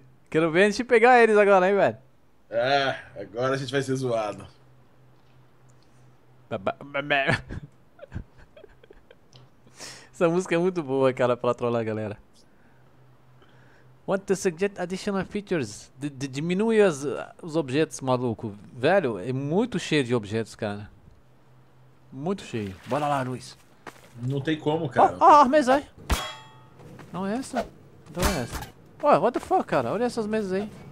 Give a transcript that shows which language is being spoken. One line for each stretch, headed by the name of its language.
Portuguese: Quero ver a gente pegar eles agora, hein, velho. É, agora a gente vai ser zoado. Essa música é muito boa, cara, pra trollar a galera.
English: Want to suggest additional features?
Portuguese: Diminui os objetos, maluco. Velho, é muito cheio de objetos, cara. Muito cheio. Bora lá, Luiz. Não tem como, cara. Ah, oh, armas aí. Não é essa? Então é essa. Ué,
English: what the fuck,
Portuguese: cara? Olha essas mesas aí.